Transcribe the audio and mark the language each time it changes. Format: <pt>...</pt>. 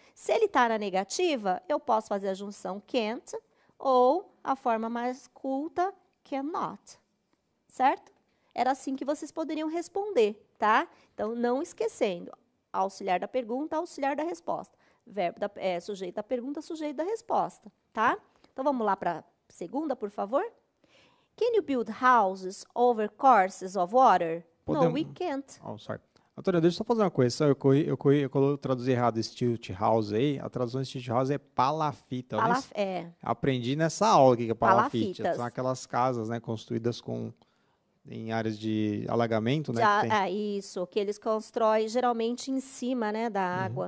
<pt>Se ele está na negativa, eu posso fazer a junção can't ou a forma mais culta, cannot. Certo? Era assim que vocês poderiam responder, tá? Então, não esquecendo. Auxiliar da pergunta, auxiliar da resposta. Verbo da, sujeito da pergunta, sujeito da resposta. Tá? Então, vamos lá para a segunda, por favor.</pt> <en>Can you build houses over courses of water?</en> <pt>Podemos.</pt> <en>No, we can't. Oh, sorry.</en> <pt>Antônio, deixa eu só fazer uma coisa. Eu traduzi errado stilt house aí. A tradução de stilt house é palafita. Aprendi nessa aula o que é palafita. São aquelas casas, né, construídas com... Em áreas de alagamento, né? Isso, que eles constroem geralmente em cima, né, da água.</pt>